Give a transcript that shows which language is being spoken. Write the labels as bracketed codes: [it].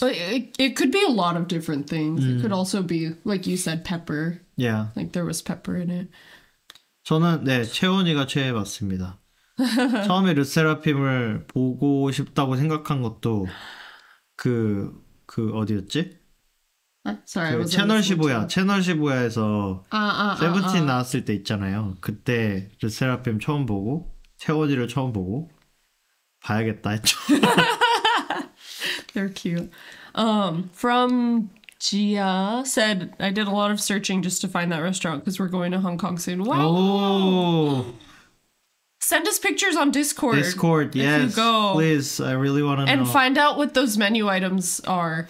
[en] But it could be a lot of different things. Mm. It could also be, like you said, pepper. Yeah. Like there was pepper in it. [ko] 저는 네, 채원이가 최애 맞습니다. 처음에 르세라핌을 보고 싶다고 생각한 것도 그 어디였지? [en] Sorry, [ko] 그 채널 15야. 채널 15야에서 세븐틴 나왔을 때 있잖아요. 그때 르세라핌 처음 보고 채원이를 처음 보고 봐야겠다 했죠. [en] They're cute. From Gia said, I did a lot of searching just to find that restaurant because we're going to Hong Kong soon. Wow! Oh. Send us pictures on Discord. Discord, yes. If you go. Please, I really want to know. And find out what those menu items are.